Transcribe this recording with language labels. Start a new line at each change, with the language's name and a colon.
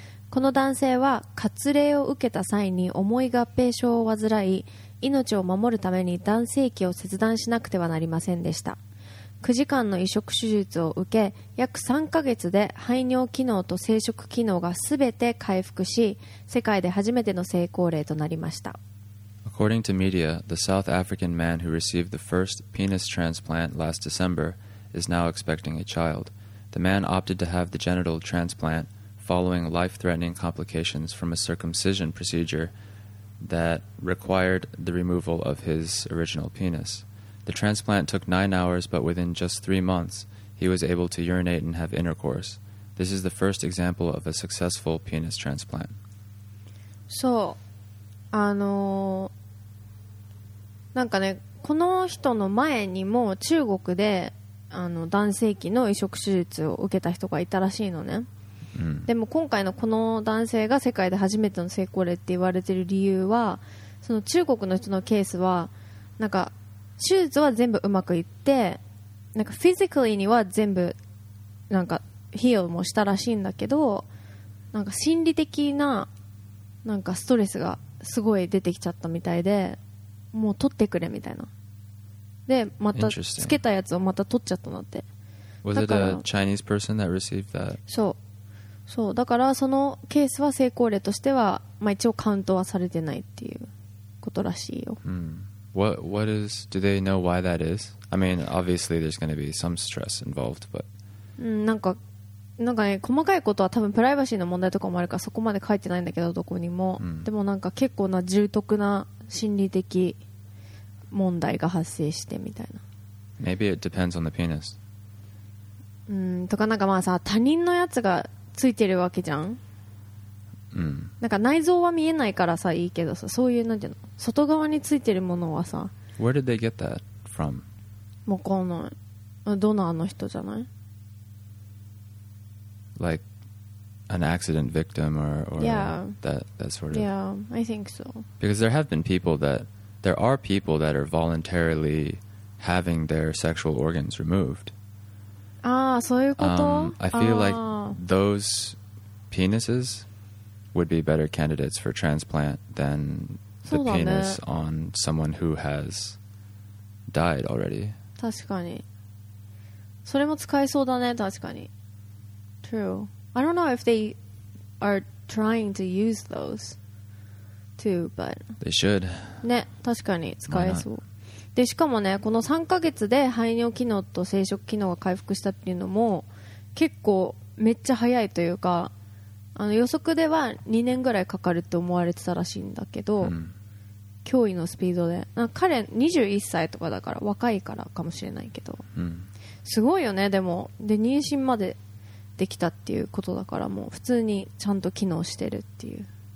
Japanese: この男性は割礼を受けた際に重い合併症を患い、命を守るために男性器を切断しなくてはなりませんでした。 9時間の移植手術を受け、約3ヶ月で排尿機能と生殖機能がすべて回復し、世界で初めての成功例となりました。
English: According to media, the South African man who received the first penis transplant last December is now expecting a child. The man opted to have the genital transplant following life-threatening complications from a circumcision procedure that required the removal of his original penis. The transplant took 9 hours, but within just 3 months, he was able to urinate and have intercourse. This is the first example of a successful penis transplant.
Japanese: そう、なんかね、この人の前にも中国で男性器の移植手術を受けた人がいたらしいのね。でも今回のこの男性が世界で初めての成功例って言われてる理由は、その中国の人のケースはなんか手術は全部うまくいって、なんかフィジカリには全部なんかヒールもしたらしいんだけど、なんか心理的ななんかストレスがすごい出てきちゃったみたいで、もう取ってくれみたいな、でまたつけたやつをまた取っちゃったなって。
English: Was it a Chinese person that received that?
Japanese: そうそう、だからそのケースは成功例としては、まあ、一応カウントはされてないっていうことらしいよ。
English: What is, do they know why that is? I mean, obviously there's going to be some stress involved, but...
Japanese: なんかね、細かいことは多分プライバシーの問題とかもあるからそこまで書いてないんだけど、どこにも。でもなんか結構な重篤な心理的問題が発生してみたいな。
English: Maybe it depends on the penis.
Japanese: とかなんかまあさ、他人のやつがついてるわけじゃん。なんか内臓は見えないからさいいけどさ、そういうなんていうの、外側についてるものはさ。
English: Where did they get that from?
Japanese: わかんない。ドナーの人じゃない
English: ？Like an accident victim or yeah. that sort of. Yeah, I think so. Because there have been people that there are people that are voluntarily having their sexual organs removed.
Japanese: ああそういうこと。
English: I feel like. Those penises would be better candidates for transplant than the penis on someone who has died already.
Japanese: 確かに。それも使えそうだね、確かに。
English: True. I don't know if they are trying to use those too, but... They should.
Japanese: ね、確かに使えそう。で、しかもね、この3ヶ月で排尿機能と生殖機能が回復したっていうのも結構めっちゃ早いというか、予測では2年ぐらいかかると思われてたらしいんだけど、驚異のスピードで、なんか彼21歳とかだから若いからかもしれないけど、すごいよね。でもで妊娠までできたっていうことだから、もう普通にちゃんと機能してるっていう。